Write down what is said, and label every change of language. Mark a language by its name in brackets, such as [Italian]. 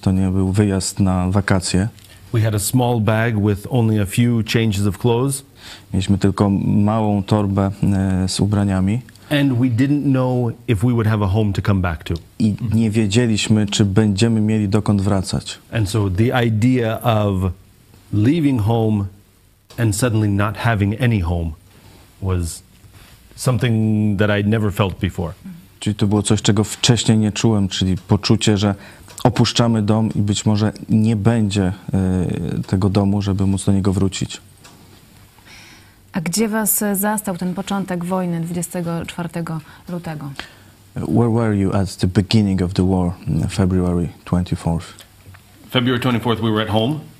[Polish] To nie był wyjazd na wakacje. [English] We had a small bag with only a few changes of clothes. [Polish] Mieliśmy tylko małą torbę z ubraniami. [English] And we didn't know if we would have a home to come back to. [Polish] I nie wiedzieliśmy, czy będziemy mieli dokąd wracać. [English] And so the idea of leaving home and suddenly not having any home was something that I'd never felt before. [Polish] Czyli to było coś, czego wcześniej nie czułem, czyli poczucie, że opuszczamy dom i być może nie będzie tego domu, żeby móc do niego wrócić. A gdzie was zastał ten początek wojny 24 lutego? [English] Where were you at the beginning of the war, February 24th? February 24th, we were at home.